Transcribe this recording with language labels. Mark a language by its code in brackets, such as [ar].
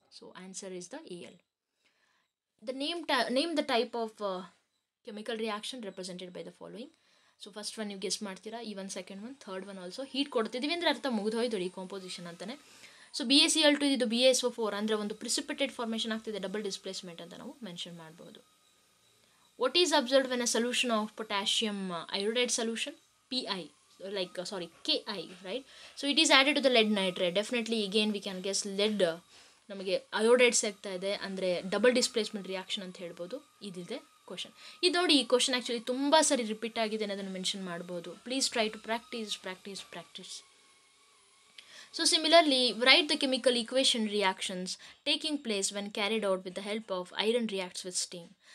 [en] So answer is the AL. The name name the type of chemical reaction represented by the following. So first one [kn] ನೀವು guess ಮಾಡ್ತೀರಾ, ಈ one [en] Second one, third one also. [kn] Heat ಕೊಡ್ತಿದ್ದೀವಿ ಅಂದರೆ ಅರ್ಥ ಮುಗಿದೋಯ್ದು ಈ composition ಅಂತಲೇ. So BaCl2 ಇದ್ದು BaSO4 ಅಂದರೆ ಒಂದು ಪ್ರಿಸಿಪಿಟೇಟ್ ಫಾರ್ಮೇಷನ್ ಆಗ್ತಿದೆ, ಡಬಲ್ ಡಿಸ್ಪ್ಲೇಸ್ಮೆಂಟ್ ಅಂತ ನಾವು ಮೆನ್ಷನ್ ಮಾಡ್ಬೋದು. [en] What is observe when a solution of potassium iodide solution PI, like KI, right? So it is added to the lead nitrate. Definitely again we can guess lead [kn] ನಮಗೆ ಅಯೋಡೈಡ್ಸ್ ಆಗ್ತಾ ಇದೆ, ಅಂದರೆ double displacement reaction ಅಂತ ಹೇಳ್ಬೋದು. ಇದಿದೆ question. ಇದು ನೋಡಿ, ಈ ಕ್ವಶನ್ ಆ್ಯಕ್ಚುಲಿ ತುಂಬ ಸರಿ ರಿಪೀಟ್ ಆಗಿದೆ ಅನ್ನೋದನ್ನು ಮೆನ್ಷನ್ ಮಾಡ್ಬೋದು. [en] Please try to practice practice practice. So similarly, write the chemical equation reactions taking place when carried out with the help of iron reacts with steam.